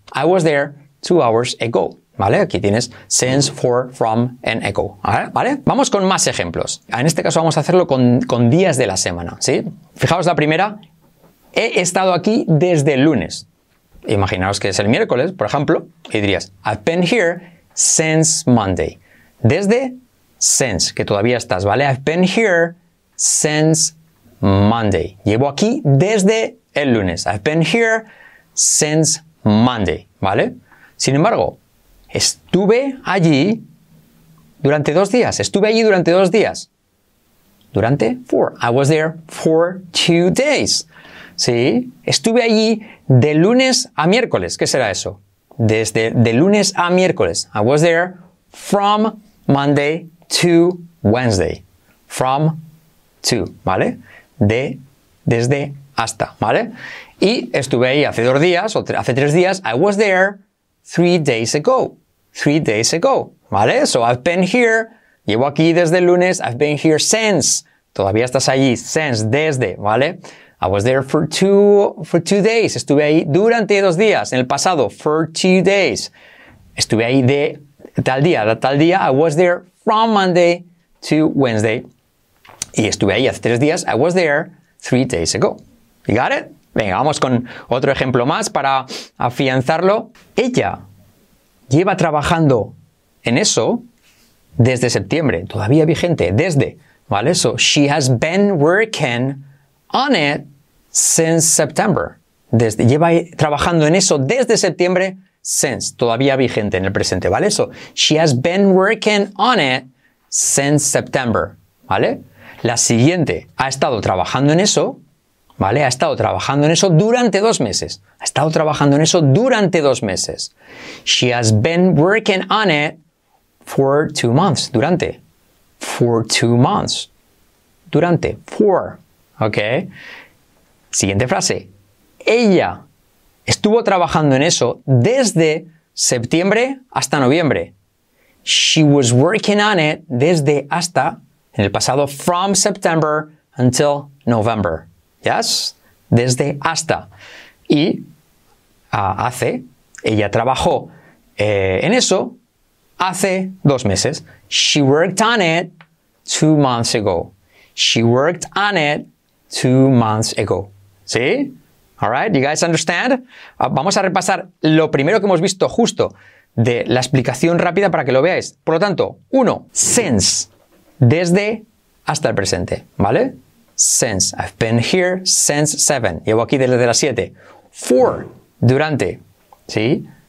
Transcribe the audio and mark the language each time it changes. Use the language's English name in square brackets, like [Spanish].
[English] I was there 2 hours ago. ¿Vale? [Spanish] Aquí tienes [English] since, for, from, and ago. ¿Vale? [Spanish] Vamos con más ejemplos. En este caso vamos a hacerlo con días de la semana. ¿Sí? Fijaos la primera. He estado aquí desde el lunes. Imaginaos que es el miércoles, por ejemplo. Y dirías, [English] I've been here since Monday. [Spanish] Desde since, que todavía estás, ¿vale? [English] I've been here since Monday. [Spanish] Llevo aquí desde el lunes. [English] I've been here since Monday, ¿vale? [Spanish] Sin embargo, estuve allí durante dos días. Estuve allí durante dos días. Durante four. [English] I was there for two days. ¿Sí? [Spanish] Estuve allí de lunes a miércoles. ¿Qué será eso? Desde de lunes a miércoles. [English] I was there from Monday to Wednesday. [Spanish] From to, ¿vale? De, desde, hasta, ¿vale? Y estuve ahí hace dos días, o hace tres días. [English] I was there three days ago. Three days ago, [Spanish] ¿vale? [English] So I've been here. [Spanish] Llevo aquí desde el lunes. [English] I've been here since. [Spanish] Todavía estás allí. Since, desde, ¿vale? [English] I was there for two days. [Spanish] Estuve ahí durante dos días, en el pasado. [English] For two days. [Spanish] Estuve ahí de tal día. [English] I was there from Monday to Wednesday. [Spanish] Y estuve ahí hace tres días. [English] I was there three days ago. You got it? [Spanish] Venga, vamos con otro ejemplo más para afianzarlo. Ella lleva trabajando en eso desde septiembre. Todavía vigente. Desde. ¿Vale? [English] So, she has been working on it since September. [Spanish] Desde, lleva trabajando en eso desde septiembre. Since. Todavía vigente en el presente. ¿Vale? [English] So, she has been working on it since September. [Spanish] ¿Vale? La siguiente, ha estado trabajando en eso, ¿vale? Ha estado trabajando en eso durante dos meses. Ha estado trabajando en eso durante dos meses. [English] She has been working on it for two months. [Spanish] Durante. [English] For two months. [Spanish] Durante. For. ¿Ok? Siguiente frase. Ella estuvo trabajando en eso desde septiembre hasta noviembre. [English] She was working on it [Spanish] desde hasta en el pasado, [English] from September until November. ¿Yes? [Spanish] Desde hasta. Y hace, ella trabajó en eso hace dos meses. [English] She worked on it 2 months ago. She worked on it 2 months ago. [Spanish] ¿Sí? [English] All right, you guys understand? [Spanish] Vamos a repasar lo primero que hemos visto justo de la explicación rápida para que lo veáis. Por lo tanto, uno, since. Desde hasta el presente, ¿vale? Since. [English] I've been here since 7. [Spanish] Llevo aquí desde las 7. For. Durante. ¿Sí?